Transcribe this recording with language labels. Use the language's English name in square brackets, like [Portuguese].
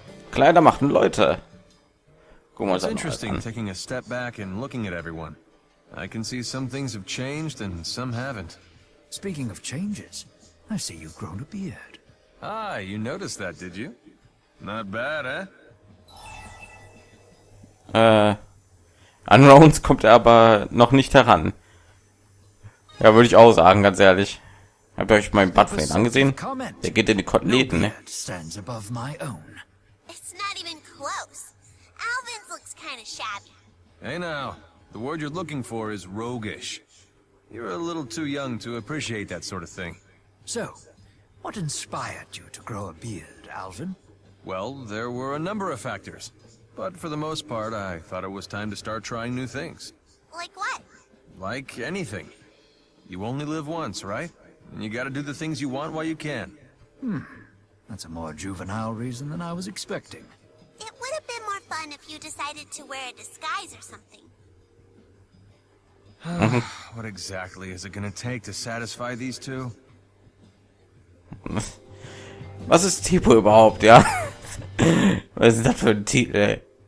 [German] Kleider machen Leute. [English] It's interesting taking a step back and looking at everyone. I can see some things have changed and some haven't. Speaking of changes, I see you've grown a beard. Ah, you noticed that, did you? Not bad, eh? [German] An Rowans kommt er aber noch nicht heran. Ja, würde ich auch sagen, ganz ehrlich. Habt ihr euch meinen Bart von ihm angesehen? Der geht in die Koteletten, ne? [English] Stands above my own. It's not even close. Alvin's looks kinda shabby. Hey now, the word you're looking for is roguish. You're a little too young to appreciate that sort of thing. So, what inspired you to grow a beard, Alvin? Well, there were a number of factors. But for the most part, I thought it was time to start trying new things. Like what? Like anything. You only live once, right? And you gotta do the things you want while you can. That's a more juvenile reason than I was expecting. It would have been more fun if you decided to wear a disguise or something. What exactly is it gonna take to satisfy these two? [German] Was ist Tipo überhaupt, ja? Was ist das für ein Titel, ey?